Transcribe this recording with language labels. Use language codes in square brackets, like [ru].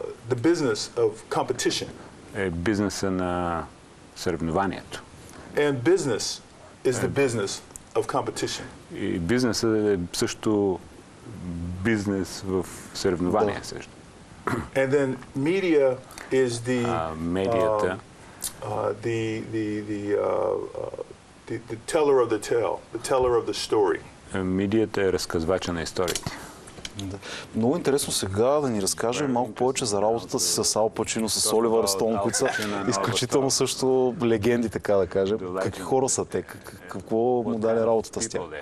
[en] The business of competition. [bg] Е бизнеса на съревнованието. [en] And business is the business of competition. [bg] И бизнесът е също бизнес в съревнования също. [en] And then media is the [bg] медията. [en] The teller of the tale, the teller of the story. [bg] Медията е разказвача на историите. Много интересно сега да ни разкаже малко повече за работата си с Ал Пачино, с Оливър Стоун, които са изключително също легенди, така да кажем. Какви хора са те? Какво му дали работата с тях?